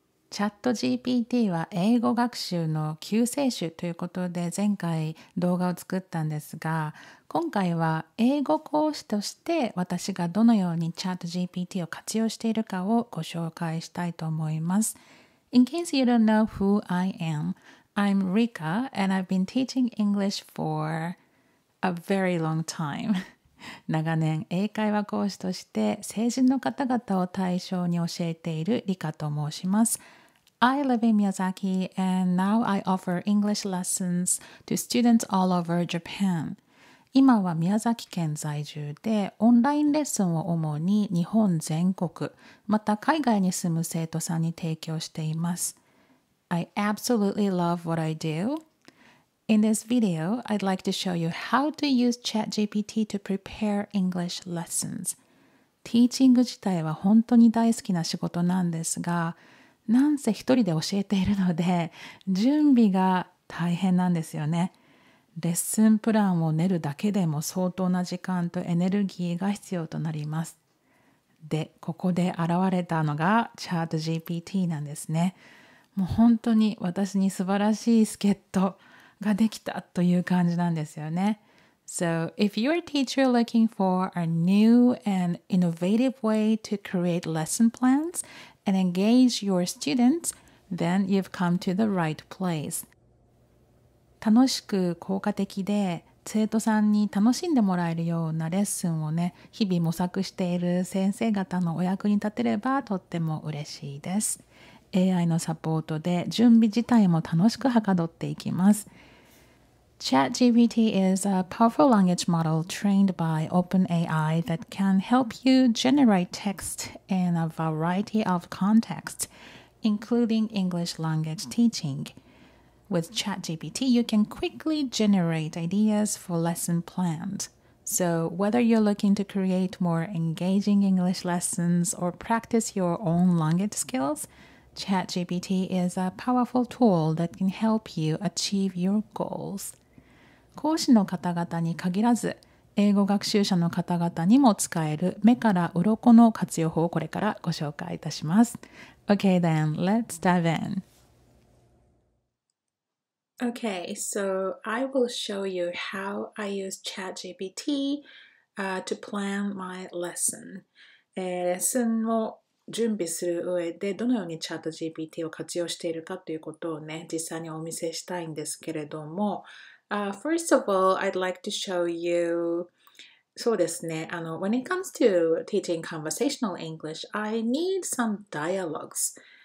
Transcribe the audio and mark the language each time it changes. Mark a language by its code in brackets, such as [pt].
[ja] ChatGPT は英語学習の救世主ということで前回動画を作ったんですが、今回は英語講師として私がどのように ChatGPT を活用しているかをご紹介したいと思います。 [en] In case you don't know who I am, I'm Rika, and I've been teaching English for a very long time. [ja] 長年英会話講師として成人の方々を対象に教えているリカと申します。 [en] I live in Miyazaki and now I offer English lessons to students all over Japan. [ja] 今は宮崎県在住でオンラインレッスンを主に日本全国、また海外に住む生徒さんに提供しています。 [en] I absolutely love what I do. In this video, I'd like to show you how to use ChatGPT to prepare English lessons. [ja] Teaching 自体は本当に大好きな仕事なんですが、なんせ一人で教えているので、準備が大変なんですよね。レッスンプランを練るだけでも相当な時間とエネルギーが必要となります。で、ここで現れたのが ChatGPT なんですね。もう本当に私に素晴らしい助っ人。ができたという感じなんですよね。 [en] So, if you're a teacher looking for a new and innovative way to create lesson plans and engage your students, then you've come to the right place. [ja] 楽しく効果的で、生徒さんに楽しんでもらえるようなレッスンをね、日々模索している先生方のお役に立てればとっても嬉しいです。 AI のサポートで準備自体も楽しくはかどっていきます。 [en] ChatGPT is a powerful language model trained by OpenAI that can help you generate text in a variety of contexts, including English language teaching. With ChatGPT, you can quickly generate ideas for lesson plans. So, whether you're looking to create more engaging English lessons or practice your own language skills,ChatGPT is a powerful tool that can help you achieve your goals. [ja] 講師の方々に限らず、英語学習者の方々にも使える目から鱗の活用法をこれからご紹介いたします。 [en] Okay then, let's dive in. Okay, so I will show you how I use ChatGPT, to plan my lesson. [ja] レッスンを準備する上でどのようにチャット GPT を活用しているかということをね、実際にお見せしたいんですけれども、 [en] first of all, I'd like to show you, [ja] そうですね、 [en] when it comes to teaching conversational English, I need some dialogues.